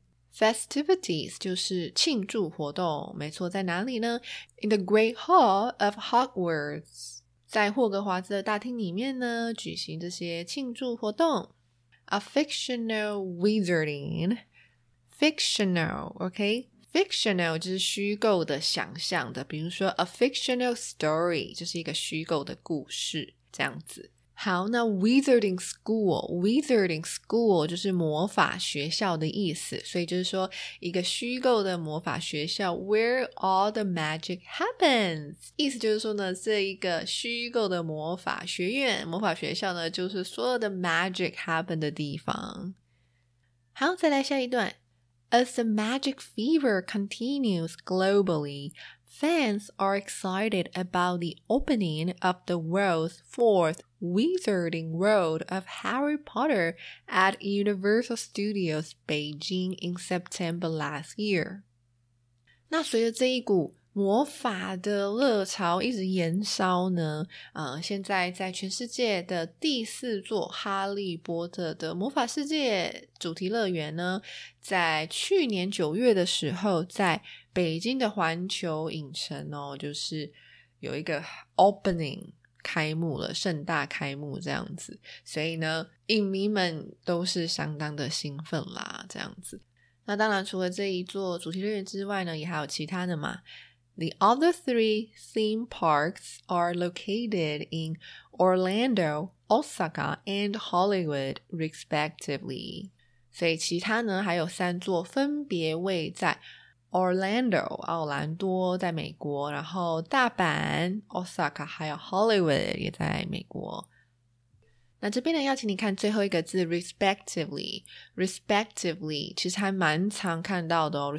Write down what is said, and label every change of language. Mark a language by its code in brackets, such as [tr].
[zh] Festivities 就是庆祝活动，没错，在哪里呢？ [en] In the Great Hall of Hogwarts， [zh] 在霍格华兹的大厅里面呢举行这些庆祝活动。 A fictional wizarding， fictional OKFictional 就是虚构的、想象的，比如说 [en] a fictional story [zh] 就是一个虚构的故事这样子。好，那 wizarding school 就是魔法学校的意思，所以就是说一个虚构的魔法学校 [en] where all the magic happens， [zh] 意思就是说呢这一个虚构的魔法学院、魔法学校呢就是所有的 magic happen 的地方。好，再来下一段。 [en] As the magic fever continues globally, fans are excited about the opening of the world's fourth Wizarding World of Harry Potter at Universal Studios Beijing in September last year. [zh] 那随着这一股魔法的热潮一直延烧呢，现在在全世界的第四座哈利波特的魔法世界主题乐园呢，在去年九月的时候，在北京的环球影城哦，就是有一个 opening 开幕了，盛大开幕这样子，所以呢，影迷们都是相当的兴奋啦，这样子。那当然，除了这一座主题乐园之外呢，也还有其他的嘛。 [en] The other three theme parks are located in Orlando, Osaka, and Hollywood, respectively. [zh] 所以其他呢，还有三座分别位在 Orlando, 奥兰多在美国，然后大阪 Osaka, 还有 Hollywood 也在美国。那这边呢要请你看最后一个字 respectively 其实还蛮常看到的哦。